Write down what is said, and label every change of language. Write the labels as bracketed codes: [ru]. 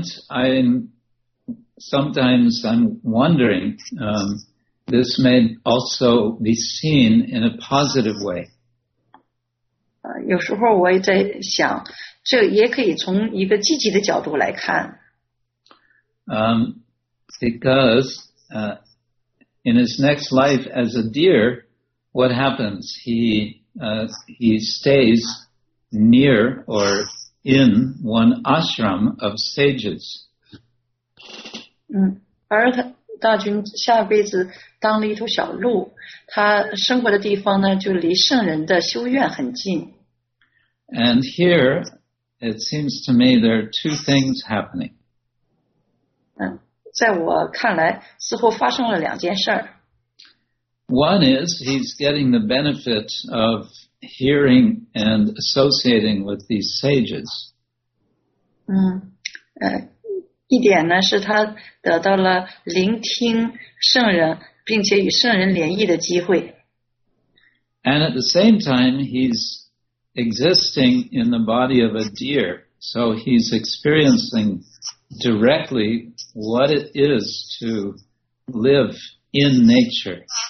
[en] And I'm wondering, this may also be seen in a positive way. [zh] 有时候我也在想，这也可以从一个积极的角度来看。 [en] Because in his next life as a deer, what happens? He stays near or in one ashram of sages. [zh] 而他大军下辈子当了一头小鹿，他生活的地方呢，就离圣人的修院很近。 [en] And here it seems to me there are two things happening. [zh] 在我看来，似乎发生了两件事儿。 [en] One is he's getting the benefit of hearing and associating with these sages. [zh] 一点呢是他得到了聆听圣人，并且与圣人联谊的机会。 [en] And at the same time, he's existing in the body of a deer, so he's experiencing directly what it is to live in nature.